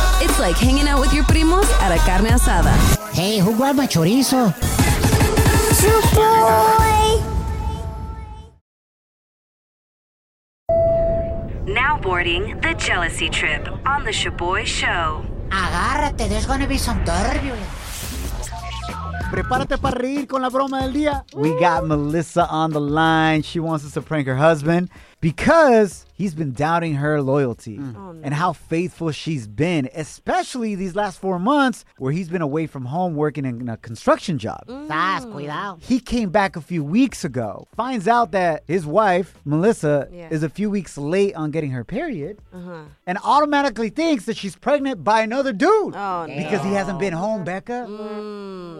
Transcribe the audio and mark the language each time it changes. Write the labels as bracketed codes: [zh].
[en] It's like hanging out with your primos at a carne asada. Hey, who grabbed my chorizo? Shaboy. Now boarding the Jealousy Trip on the Shaboy Show. [es] Agárrate, [en] there's gonna be some turbulence. [es] Prepárate para reír con la broma del día. [en] We got Melissa on the line. She wants us to prank her husband because he's been doubting her loyalty and how faithful she's been, especially these last 4 months where he's been away from home working in a construction job. [es] Sas, cuidado. [en] He came back a few weeks ago, finds out that his wife, Melissa, is a few weeks late on getting her period, and automatically thinks that she's pregnant by another dude because he hasn't been home, Becca.